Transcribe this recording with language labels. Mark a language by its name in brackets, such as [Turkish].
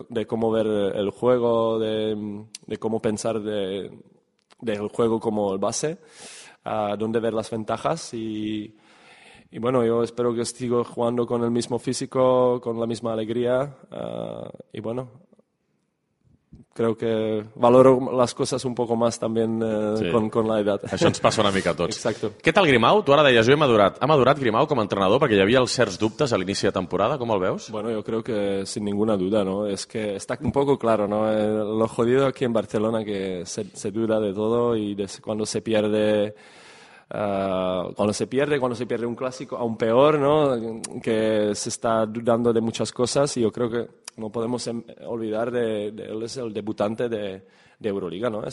[Spanish] De cómo ver el juego, de cómo pensar del juego como el base, donde ver las ventajas y bueno, yo espero que sigo jugando con el mismo físico, con la misma alegría, y bueno, creo que valoro las cosas un poco más también sí. con la edad. [Catalan] Això ens passa una mica a tots. [Spanish] Exacto. [Catalan] Què tal Grimau? Tu ara deies, jo he madurat. Ha madurat Grimau com a entrenador? Perquè hi havia els certs dubtes a l'inici de temporada, com el veus? [Spanish] Bueno, yo creo que sin ninguna duda, ¿no? Es que está un poco claro, ¿no? Lo jodido aquí en Barcelona, que se duda de todo y desde cuando se pierde... Cuando se pierde un clásico aún peor, ¿no? Que se está dudando de muchas cosas y yo creo que no podemos olvidar de él es el debutante de Euroliga, ¿no?